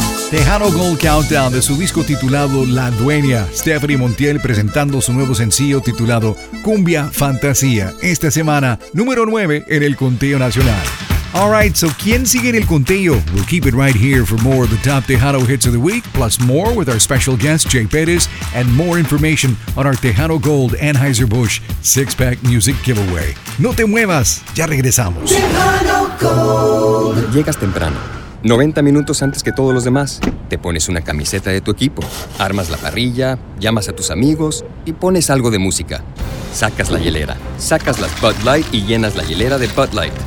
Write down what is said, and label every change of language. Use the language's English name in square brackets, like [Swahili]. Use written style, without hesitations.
[Spanish] Tejano Gold Countdown de su disco titulado La Dueña, Stephanie Montiel presentando su nuevo sencillo titulado Cumbia Fantasía. Esta semana, número 9 en el conteo nacional. Alright, so ¿quién sigue en el conteo? [English] We'll keep it right here for more of the top Tejano hits of the week, plus more with our special guest Jay Perez, and more information on our Tejano Gold Anheuser-Busch 6-Pack Music Giveaway. [Spanish] No te muevas, ya regresamos. Tejano Gold. Llegas temprano, 90 minutos antes que todos los demás. Te pones una camiseta de tu equipo, armas la parrilla, llamas a tus amigos y pones algo de música. Sacas la hielera, sacas la Bud Light y llenas la hielera de Bud Light.